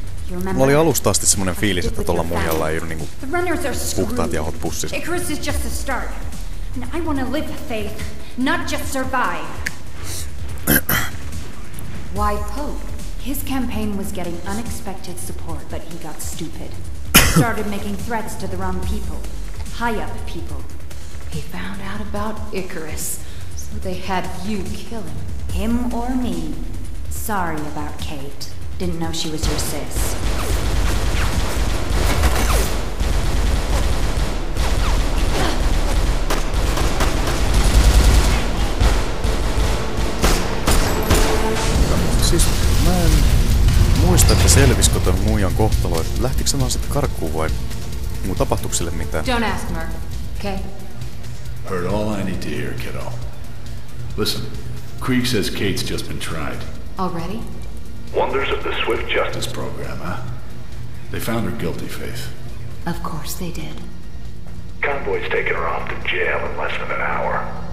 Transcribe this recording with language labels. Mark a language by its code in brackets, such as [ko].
[fi] Mulla oli alusta asti semmonen fiilis, että tolla muijalla ei oo niinku puhtaat jahot pussissa. [en] Icarus is just the start. And I wanna live Faith, not just survive. Why Pope? His campaign was getting unexpected support, but he got stupid. Started making threats to the wrong people. High up people. He found out about Icarus. So they had you kill him. Him or me. Sorry about Kate. Didn't know she was your sis. [fi] Siis mä en muista, että selvisikö ton muijan kohtalo, että lähtikö se vaan sit karkuun vai muu tapahtuiko sille mitään? [en] Don't ask Mer, okay? Heard all I need to hear, kiddo. Listen, Krieg says Kate's just been tried. Already? Wonders of the Swift Justice Program, huh? They found her guilty, Faith. Of course they did. Convoy's taking her off to jail in less than an hour.